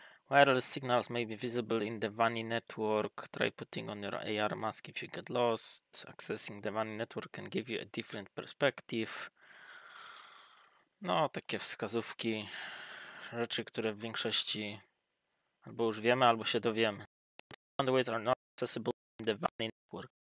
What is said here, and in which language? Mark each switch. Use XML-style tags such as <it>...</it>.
<en>Wireless signals may be visible in the Vani network. Try putting on your AR mask if you get lost. Accessing the Vani network can give you a different perspective.</en> <pl>No, takie wskazówki, rzeczy, które w większości albo już wiemy, albo się dowiemy.</pl> <en>Bandwidth are not accessible in the Vani network.</en>